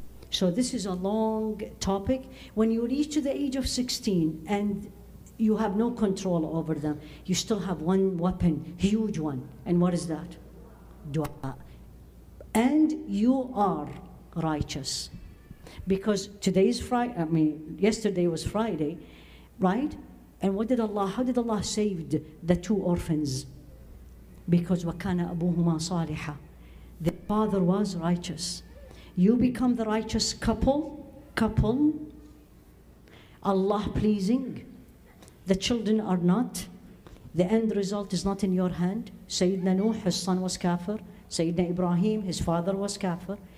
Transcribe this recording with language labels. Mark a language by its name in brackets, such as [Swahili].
[English] So this is a long topic. When you reach to the age of 16 and you have no control over them, you still have one weapon, huge one. And what is that? Dua. And you are righteous. Because today's Friday, I mean, yesterday was Friday, right? And what did Allah, how did Allah save the two orphans? Because [Arabic] وَكَانَ أَبُوهُمَا صَالِحًا. [English] The father was righteous. You become the righteous couple, Allah pleasing. The children are not. The end result is not in your hand. Sayyidina Nuh, his son was kafir. Sayyidina Ibrahim, his father was kafir.